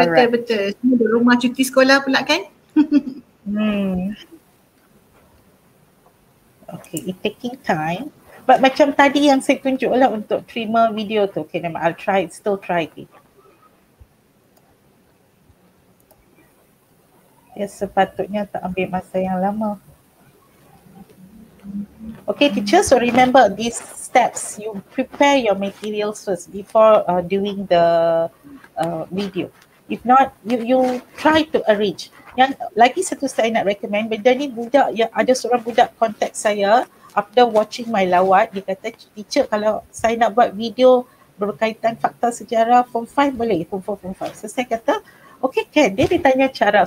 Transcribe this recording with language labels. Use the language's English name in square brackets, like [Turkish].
[Malay] Betul. Semua di rumah cuti sekolah pula kan? [English] Okay, it taking time. But [Malay] macam tadi yang saya tunjuk lah untuk trimmer video tu. [English] Okay, I'll try it, still try it. [Malay] Ya, sepatutnya tak ambil masa yang lama. [English] Okay, teacher, so remember these steps. You prepare your materials first before doing the video. If not, you try to arrange. [Malay] Yang lagi satu saya nak recommend, benda ni budak, yang ada seorang budak contact saya [English] after watching my [Malay] lawat, dia kata, teacher, kalau saya nak buat video berkaitan fakta sejarah form 5 boleh, form 4, form 5. So saya kata, okay, can. Dia tanya cara.